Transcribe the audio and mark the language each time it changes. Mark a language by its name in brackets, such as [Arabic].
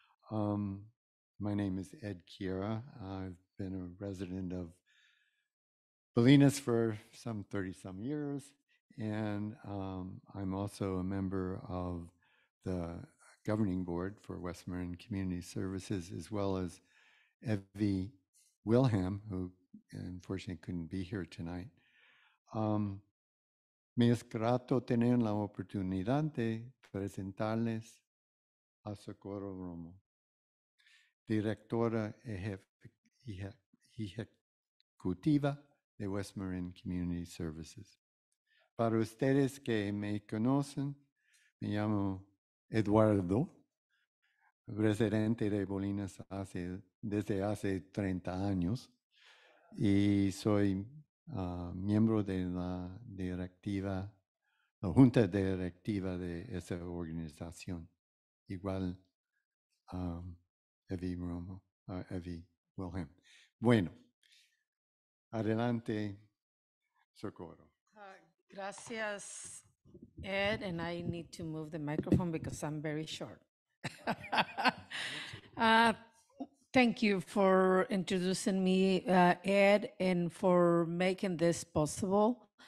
[English] My name is Ed Kiera. I've been a resident of Bolinas for some 30-some years, and I'm also a member of the Governing Board for West Marin Community Services, as well as Evie Wilhelm, who unfortunately couldn't be here tonight. [Spanish] Me es grato tener la oportunidad de presentarles a Socorro Romo, directora ejecutiva de West Marin Community Services. Para ustedes que me conocen, me llamo Eduardo, residente de Bolinas desde hace 30 años, y soy miembro de la directiva, la junta directiva de esa organización, igual Evie Wilhelm. Bueno, adelante, Socorro. Gracias, [English] Ed, and I need to move the microphone because I'm very short. Thank you for introducing me, Ed, and for making this possible.